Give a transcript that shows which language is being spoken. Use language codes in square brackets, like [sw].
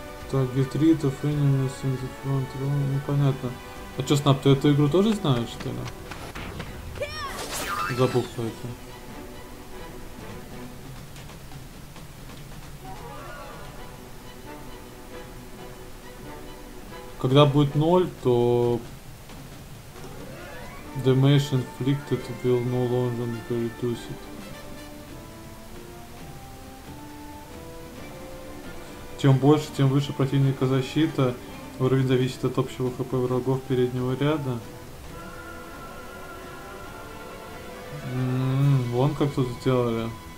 [ru] Так, [en] get rid of enemies in the front row, [ru] ну понятно. А чё, Снап, ты эту игру тоже знаешь, что ли? Забыл про это. Когда будет 0, то [en] damage inflicted will no longer be reduced. [ru] Чем больше, тем выше противника защита. Уровень зависит от общего хп врагов переднего ряда. Вон как тут сделали.